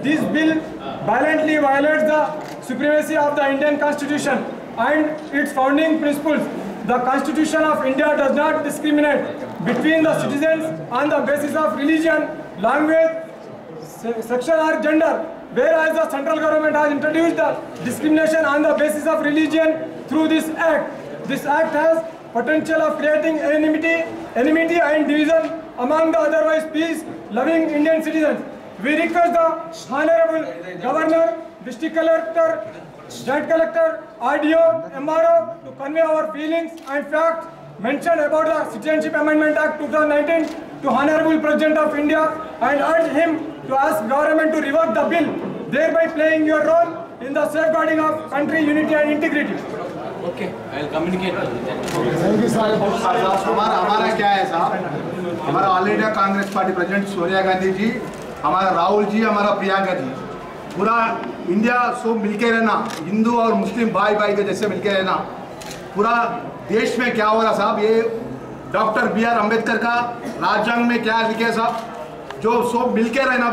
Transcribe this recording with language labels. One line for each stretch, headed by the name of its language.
English: This bill violently violates the supremacy of the Indian constitution and its founding principles. The constitution of India does not discriminate between the citizens on the basis of religion language section और gender. Whereas the central government has introduced the discrimination on the basis of religion through this act has potential of creating enmity and division among the otherwise peace loving Indian citizens. We request the honorable governor, district collector, joint collector, RDO, MRO to convey our feelings and facts mentioned about the Citizenship Amendment Act 2019 to honorable president of India and urge him to ask government to revoke the bill, thereby playing your role in the safeguarding of country unity and integrity. Okay, I'll communicate. Thank you, sir.
Hindi: हमारा क्या है साहब, हमारा all India Congress party president Sonia Gandhi ji, हमारा राहुल जी, हमारा प्रियंका जी, पूरा India सब मिलके रहना, हिंदू और मुस्लिम भाई भाई के जैसे मिलके रहना। पूरा देश में क्या हो रहा साहब, ये डॉक्टर बी आर अम्बेडकर का राजंग में क्या लिखे साहब, जो सब मिलके रहना।